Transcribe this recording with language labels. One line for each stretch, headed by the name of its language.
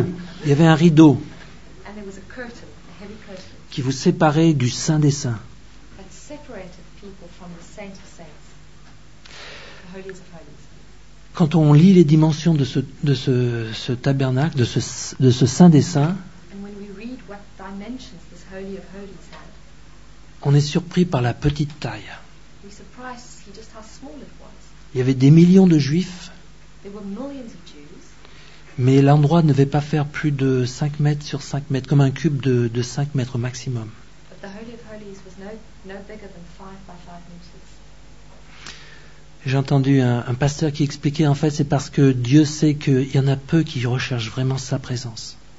English: And there was a curtain, a heavy curtain,
French: qui vous séparait du Saint des Saints.
English: That separated people from the Saint of Saints, the Holies of Holies.
French: Quand on lit les dimensions de ce tabernacle, de ce Saint des Saints,
English: and when we read what dimensions this Holy of Holies had,
French: on est surpris par la petite taille.
English: We're surprised to see just how small it was.
French: Il y avait des millions de Juifs,
English: there were millions of Jews,
French: mais l'endroit ne devait pas faire plus de 5 mètres sur 5 mètres, comme un cube de 5 mètres maximum.
English: But the Holy of Holies was no bigger than 5 by 5 meters.
French: J'ai entendu un pasteur qui expliquait, en fait, c'est parce que Dieu sait qu'il y en a peu qui recherchent vraiment sa présence.